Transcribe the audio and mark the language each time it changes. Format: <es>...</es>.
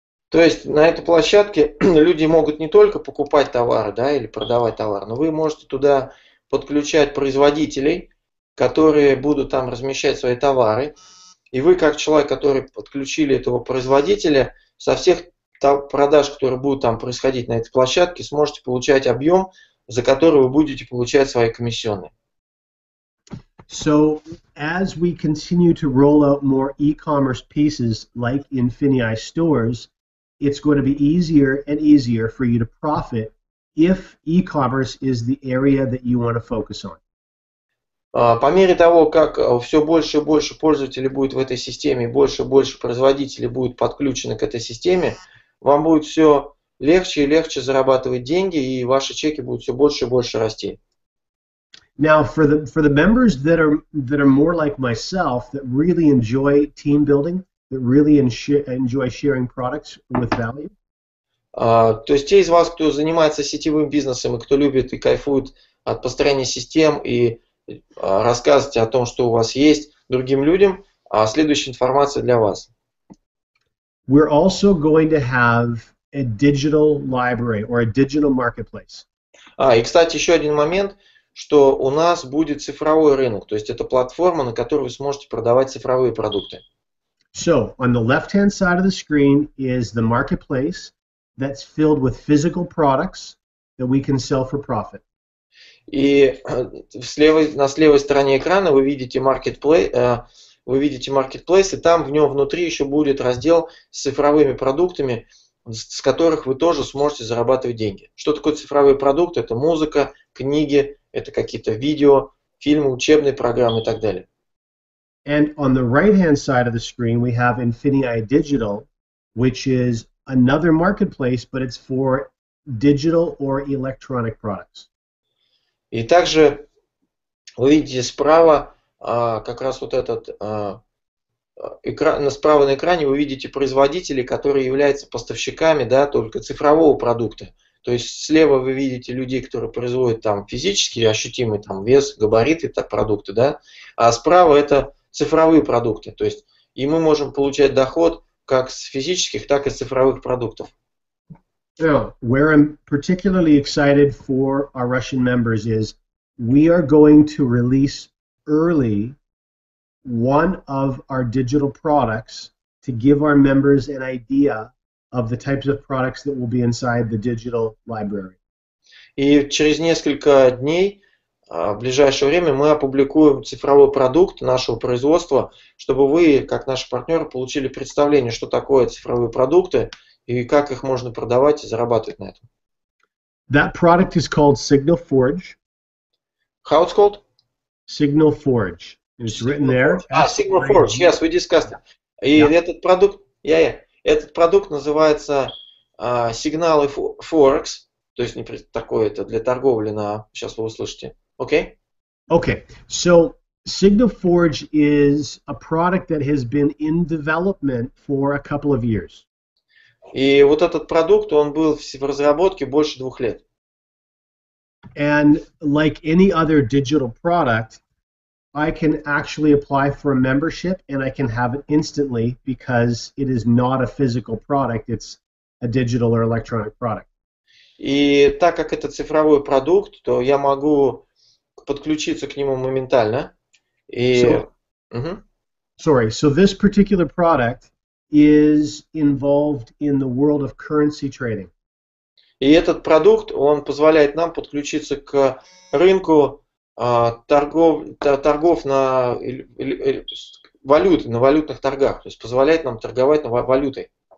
<ru>То есть на этой площадке люди могут не только покупать товары, да, или продавать товар, но вы можете туда подключать производителей, которые будут там размещать свои товары, и вы как человек, который подключили этого производителя, со всех продаж, которые будут там происходить на этой площадке, сможете получать объем, за который вы будете получать свои комиссионные.</ru> <en>So, as we continue to roll out more e-commerce pieces like Infinity stores, it's going to be easier and easier for you to profit if e-commerce is the area that you want to focus on.</en> <ru>По мере того, как все больше и больше пользователей будет в этой системе, больше и больше производителей будет подключено к этой системе, вам будет все легче и легче зарабатывать деньги, и ваши чеки будут все больше и больше расти.</ru> <en>Now, for the members that are more like myself, that really enjoy team building, that really enjoy sharing products with value.</en> <ru>То есть те из вас, кто занимается сетевым бизнесом и кто любит и кайфует от построения систем и рассказывать о том, что у вас есть, другим людям, следующая информация для вас.</ru> <en>We're also going to have a digital library or a digital marketplace.</en> <ru>И, кстати, еще один момент, что у нас будет цифровой рынок, то есть это платформа, на которой вы сможете продавать цифровые продукты.</ru> <en>So, on the left-hand side of the screen is the marketplace that's filled with physical products that we can sell for profit.</en> <ru>И на левой стороне экрана вы видите marketplace, и там в нем внутри еще будет раздел с цифровыми продуктами, с которых вы тоже сможете зарабатывать деньги. Что такое цифровые продукты? Это музыка, книги, это какие-то видео, фильмы, учебные программы и так далее.</ru> <en>And on the right-hand side of the screen we have Infinity Digital, which is another marketplace, but it's for digital or electronic products.</en> <ru>И также вы видите справа как раз вот этот экран, справа на экране вы видите производителей, которые являются поставщиками, да, только цифрового продукта. То есть слева вы видите людей, которые производят там физические ощутимые там вес, габариты, так, продукты, да, а справа это цифровые продукты. То есть и мы можем получать доход как с физических, так и с цифровых продуктов.</ru> <en>Now, where I'm particularly excited for our Russian members is we are going to release early one of our digital products to give our members an idea of the types of products that will be inside the digital library.</en> <ru>И через несколько дней, в ближайшее время, мы опубликуем цифровой продукт нашего производства, чтобы вы, как наши партнеры, получили представление, что такое цифровые продукты и как их можно продавать и зарабатывать на этом.</ru> <en>That product is called Signal Forge. How it's called? Signal Forge. And it's written there. Signal Forge. Yes, we discussed it.</en> <ru>И этот продукт, этот продукт называется сигналы Forex, то есть не такое это для торговли на, сейчас вы услышите, окей?</ru> <en>Okay, so Signal Forge is a product that has been in development for a couple of years.</en> <ru>И вот этот продукт, он был в разработке больше двух лет.</ru> <en>And like any other digital product, I can actually apply for a membership and I can have it instantly because it is not a physical product, it's a digital or electronic product.</en> <ru>И так как это цифровой продукт, то я могу подключиться к нему моментально. И...</ru> <en>So this particular product is involved in the world of currency trading.</en> <ru>И этот продукт, он позволяет нам подключиться к рынку торгов на валюты, на валютных торгах, то есть позволяет нам торговать на валютой.</ru>